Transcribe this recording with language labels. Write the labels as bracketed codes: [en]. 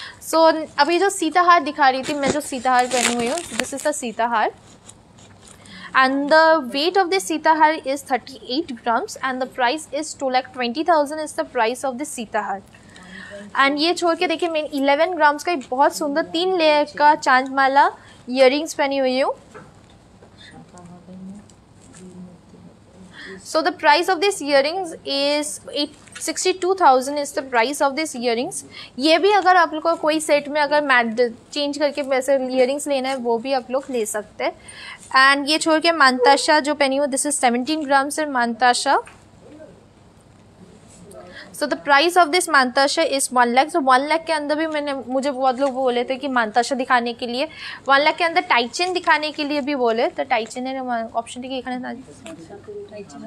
[hi] सो अभी जो सीताहार दिखा रही थी, मैं जो सीताहार पहनी हुई हूँ, [en] This is the sitahar. And the weight of this sitahar is 38 grams and the price is 2,20,000 is the price of this sitahar. [hi] And ये छोड़ के देखिए मैं 11 grams का एक बहुत सुंदर 3 layer का चांद माला earrings पहनी हुई हूँ. [en] So the price of this earrings is 62,000 is the price of this earrings. [hi] ये भी अगर आप लोग को कोई सेट में अगर मैट चेंज करके वैसे earrings लेना है वो भी आप लोग ले सकते हैं. एंड ये छोड़ के मानताशा जो पहनी हुई, [en] this is [hi] 17 ग्राम से मानताशा. [en] So the price of this mantasha is 1 lakh. [hi] सो 1 लाख के अंदर भी मैंने, मुझे बहुत लोग बोले थे कि मानताशा दिखाने के लिए 1 लाख के अंदर टाइचेन दिखाने के लिए भी बोले, तो टाइचेन है ऑप्शन टी के.